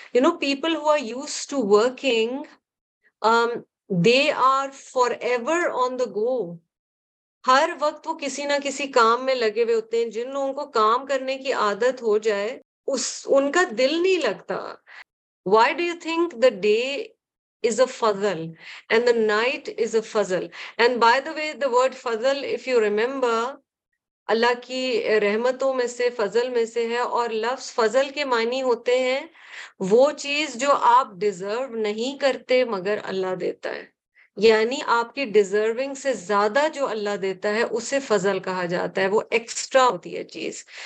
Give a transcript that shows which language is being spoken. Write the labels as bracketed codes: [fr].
[en] you know people who are used to working they are forever on the go, [hi] हर वक्त वो किसी ना किसी काम में लगे हुए होते हैं। जिन लोगों को काम करने की आदत हो जाए उनका दिल नहीं लगता। [en] Why do you think the day is a fazal and the night is a fazal? And by the way, the word fazal, if you remember, [hi] अल्लाह की रहमतों में से, फजल में से है, और लफ्ज फजल के मानी होते हैं वो चीज जो आप डिजर्व नहीं करते मगर अल्लाह देता है, यानी आपकी डिजर्विंग से ज्यादा जो अल्लाह देता है उसे फजल कहा जाता है, वो एक्स्ट्रा होती है चीज।